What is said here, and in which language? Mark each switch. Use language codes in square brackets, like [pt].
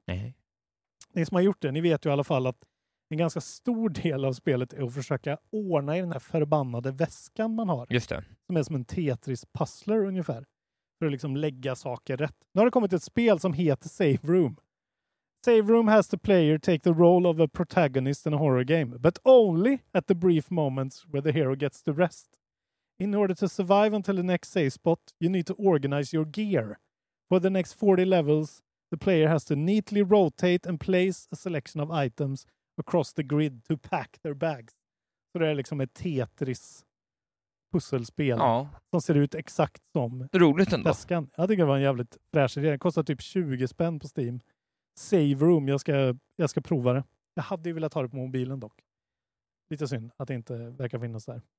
[sv] Nej. Ni som har gjort det, ni vet ju i alla fall att en ganska stor del av spelet är att försöka ordna i den här förbannade väskan man har. Just det. Som är som en Tetris-puzzler ungefär. För att liksom lägga saker rätt. Nu har det kommit ett spel som heter Save Room. [en] Save Room has the player take the role of a protagonist in a horror game, but only at the brief moments where the hero gets to rest. In order to survive until the next save spot, you need to organize your gear. For the next 40 levels, the player has to neatly rotate and place a selection of items across the grid to pack their bags. [sv] Så det är liksom ett Tetris-pusselspel, ja, som ser ut exakt som roligt ändå. Väskan. Jag tycker det var en jävligt fräsch idé. Det kostar typ 20 spänn på Steam. Save Room, jag ska prova det. Jag hade ju velat ha det på mobilen dock. Lite synd att det inte verkar finnas där.